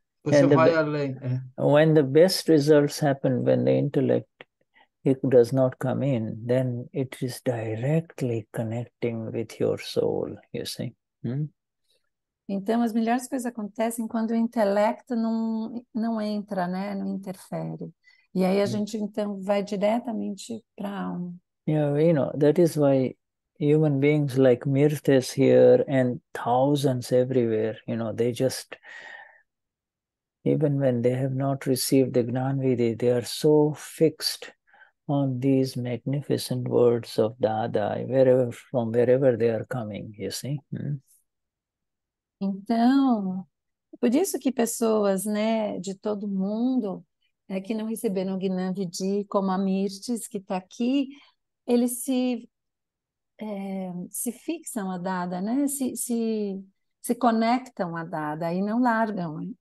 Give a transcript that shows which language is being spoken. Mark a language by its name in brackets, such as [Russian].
[English] When the best results happen, when the intellect it does not come in, then it is directly connecting with your soul, you see. [Portuguese] Então, as melhores coisas acontecem quando o intelecto não entra, né? Não interfere. E aí a gente, então, vai diretamente para a alma. [English] Yeah, you know, that is why human beings like Mirtes here and thousands everywhere, you know, they just... Even when they have not received the Gnanvidhi, they are so fixed on these magnificent words of Dada, wherever, from wherever they are coming, you see. [Portuguese] Então, por isso que pessoas, né, de todo mundo, que não receberam o Gnanvidhi, como a Mirtes, que está aqui, eles se fixam a Dada, né, se conectam a Dada e não largam.